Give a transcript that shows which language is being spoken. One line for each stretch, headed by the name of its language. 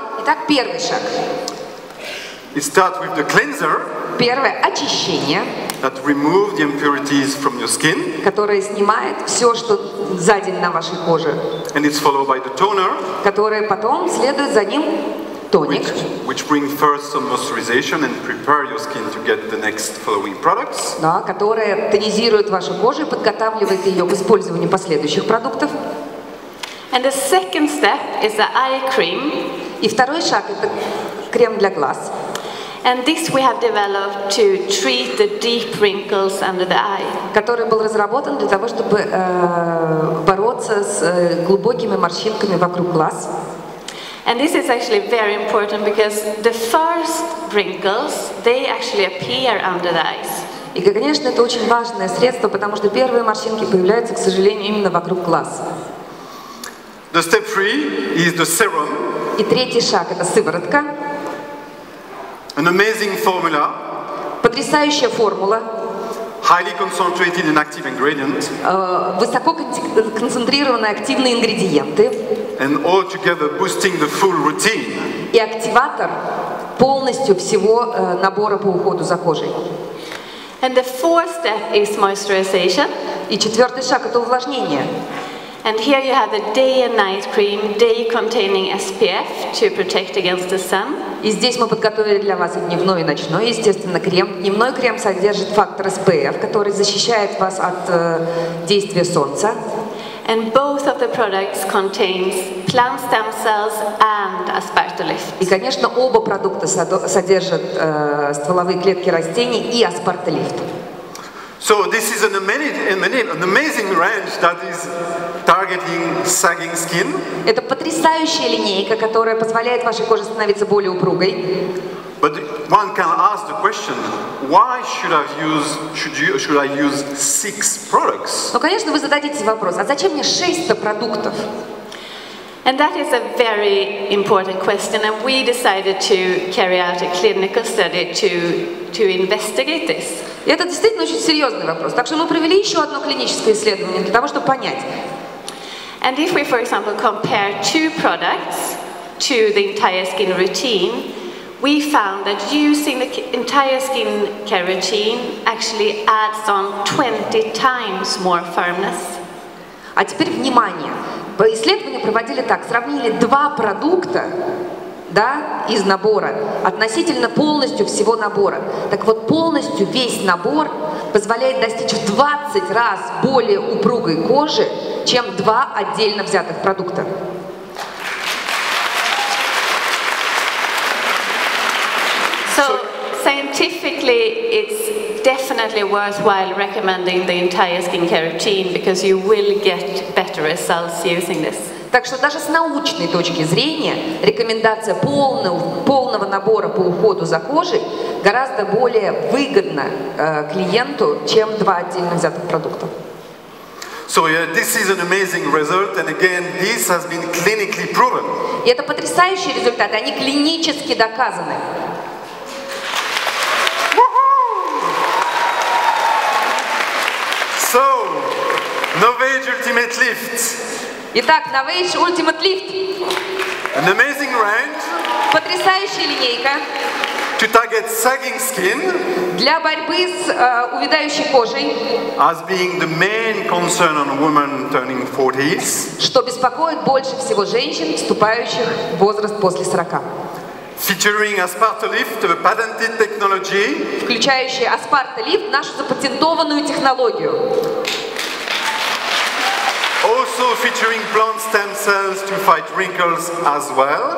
Russian: Итак, первый шаг.
English: It starts with the cleanser.
Russian: Первое очищение.
English: That remove the impurities from your skin.
Russian: Которое снимает все, что за день на вашей коже.
English: And it's followed by the toner.
Russian: Которое потом следует за ним тоник.
English: Which brings first some moisturization and prepare your skin to get the next following products.
Russian: Да, которое тонизирует вашу кожу и подготавливает ее к использованию последующих продуктов.
English: And the second step is the eye cream.
Russian: И второй шаг это крем для глаз.
English: And this we have developed to treat the deep wrinkles under the eye.
Russian: Который был разработан для того, чтобы бороться с глубокими морщинками вокруг глаз.
English: And this is actually very important because the first wrinkles, they actually appear under the eyes.
Russian: И, конечно, это очень важное средство, потому что первые морщинки появляются, к сожалению, именно вокруг глаз.
English: The step three is the serum.
Russian: И третий шаг это сыворотка.
English: An amazing formula.
Russian: Потрясающая формула.
English: Highly concentrated and active ingredient.
Russian: Высоко концентрированные активные ингредиенты.
English: And all together boosting the full routine.
Russian: И активатор полностью всего набора по уходу за кожей.
English: And the fourth step is moisturization.
Russian: И четвертый шаг это увлажнение.
English: And here you have a day and night cream, day containing SPF to protect against the sun.
Russian: И здесь мы подготовили для вас и дневной, и ночной, естественно, крем. Дневной крем содержит фактор SPF, который защищает вас от действия солнца.
English: And both of the products contains plant stem cells and aspartolift.
Russian: И, конечно, оба продукта содержат стволовые клетки растений и аспартолифт.
English: So this is an amazing range that is targeting sagging skin.
Russian: Это потрясающая линейка, которая позволяет вашей коже становиться более упругой.
English: But one can ask the question, why should I use, should I use six products?
Russian: Ну, конечно, вы зададите вопрос, а зачем мне 6 продуктов?
English: And that is a very important question, and we decided to carry out a clinical study to investigate this.
Russian: И это действительно очень серьезный вопрос, так что мы провели еще одно клиническое исследование для того, чтобы понять.
English: And if we, for example, compare two products to the entire skin routine, we found that using the entire skin care routine actually adds on 20 times more firmness.
Russian: А теперь внимание. Исследования проводили так, сравнили два продукта, да, из набора, относительно полностью всего набора. Так вот, полностью весь набор позволяет достичь в 20 раз более упругой кожи, чем два отдельно взятых продукта.
English: Scientifically, it's definitely worthwhile recommending the entire skincare routine because you will get better results using this.
Russian: Так что даже с научной точки зрения рекомендация полного набора по уходу за кожей гораздо более выгодна клиенту, чем два отдельно взятых продукта.
English: So yeah, this is an amazing result, and again, this has been clinically proven.
Russian: И это потрясающие результаты, они клинически доказаны.
English: So, Novage Ultimate Lift.
Russian: Итак, Novage Ultimate Lift.
English: An amazing range.
Russian: Потрясающая линейка.
English: To target sagging skin.
Russian: Для борьбы с увядающей кожей.
English: As being the main concern on women turning 40s.
Russian: Что беспокоит больше всего женщин, вступающих в возраст после 40.
English: Featuring Aspartolift, a patented technology.
Russian: Включающий Aspartolift, нашу запатентованную технологию.
English: Also featuring plant stem cells to fight wrinkles as well.